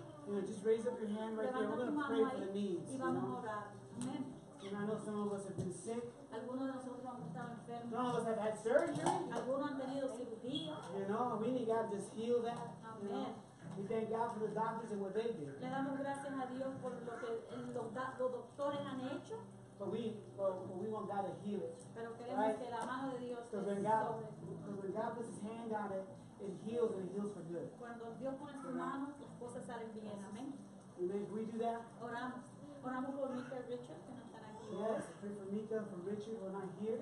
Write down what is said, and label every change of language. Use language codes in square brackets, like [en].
[en] you know, just raise up your hand right there. We're going to pray for the needs. [es] Y vamos a orar. Amen. [en] And I know some of us have been sick. [es] Algunos de nosotros hemos estado enfermos. [en] Some of us have had surgery. [es] Algunos han tenido cirugía. [en] You know, we need God to just heal that. Amen. You know? We thank God for the doctors and what they did. [es] Le damos gracias a Dios por lo que los doctores han hecho. [en] But we want God to heal it. [es] Pero queremos, [en] right? [es] Que la mano de Dios te sobre. [en] Because when God puts his hand on it, it heals, and it heals for good. [es] Cuando Dios pone su mano, las cosas salen bien. [en] Amen. Amen. Can we do that? [es] Oramos por Mika y Richard, que no están aquí. [en] Yes, pray for Mika and for Richard, who are not here.